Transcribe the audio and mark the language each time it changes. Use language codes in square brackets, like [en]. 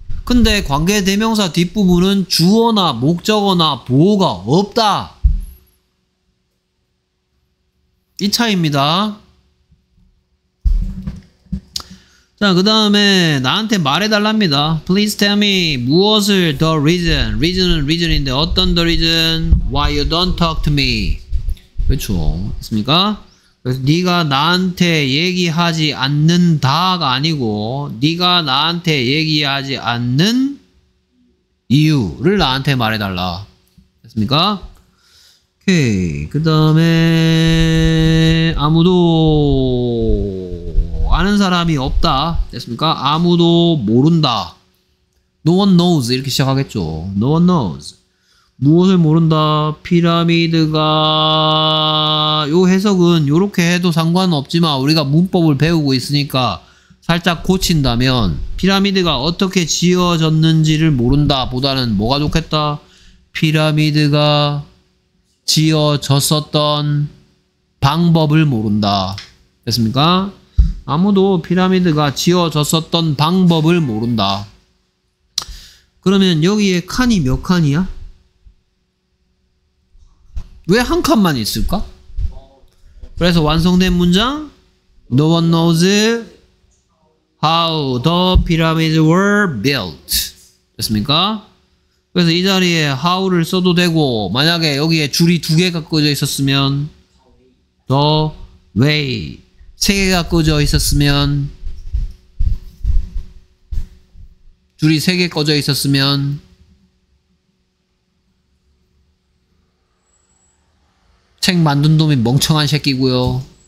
[ko] 근데 관계대명사 뒷부분은 주어나 목적어나 보호가 없다. 이 차이입니다. 자, 그 다음에 나한테 말해달랍니다. [en] Please tell me [ko] 무엇을 [en] the reason. [ko] reason은 reason인데 어떤 [en] the reason why you don't talk to me. [ko] 그렇죠. 있습니까? 그래서 네가 나한테 얘기하지 않는다가 아니고 네가 나한테 얘기하지 않는 이유를 나한테 말해달라. 됐습니까? 그 다음에 아무도 아는 사람이 없다. 됐습니까? 아무도 모른다. [en] No one knows [ko] 이렇게 시작하겠죠. [en] No one knows [ko] 무엇을 모른다. 피라미드가 요 해석은 요렇게 해도 상관없지만 우리가 문법을 배우고 있으니까 살짝 고친다면 피라미드가 어떻게 지어졌는지를 모른다 보다는 뭐가 좋겠다. 피라미드가 지어졌었던 방법을 모른다. 됐습니까? 아무도 피라미드가 지어졌었던 방법을 모른다. 그러면 여기에 칸이 몇 칸이야? 왜 한 칸만 있을까? 그래서 완성된 문장 [en] No one knows how the pyramids were built. [ko] 됐습니까? 그래서 이 자리에 how를 써도 되고 만약에 여기에 줄이 두 개가 꺼져 있었으면 the way 세 개가 꺼져 있었으면 줄이 세 개 꺼져 있었으면 책 만든 놈이 멍청한 새끼고요.